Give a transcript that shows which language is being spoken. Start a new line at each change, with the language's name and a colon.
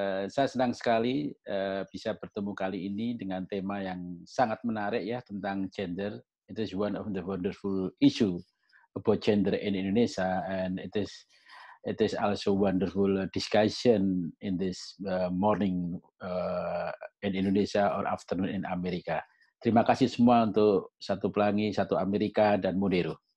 Indonesian: Saya senang sekali bisa bertemu kali ini dengan tema yang sangat menarik ya tentang gender.
English: It is one of the wonderful issue about gender in Indonesia, and it is also wonderful discussion in this morning in Indonesia or afternoon in America.
Indonesian: Terima kasih semua untuk Satu Pelangi, Satu Amerika, dan Modero.